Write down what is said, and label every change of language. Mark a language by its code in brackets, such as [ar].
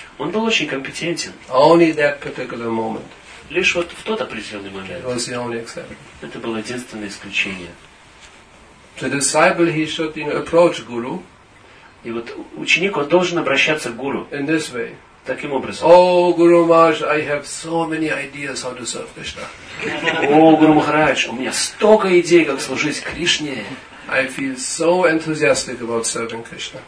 [ru] Он был очень компетентен. [en] Only that particular moment. [ru] Лишь вот в тот определенный момент. [en] It was the only exception. [ru] Это было единственное исключение. [en] The disciple, he should, you know, approach guru. [ru] И вот ученик, он должен обращаться к гуру. [en] In this way. [ru] Таким образом. [en] Oh, Guru Maharaj, I have so many ideas how to serve Krishna. [ru] Oh, Guru Maharaj, у меня столько идей, как служить Кришне. [en] I feel so enthusiastic about serving Krishna.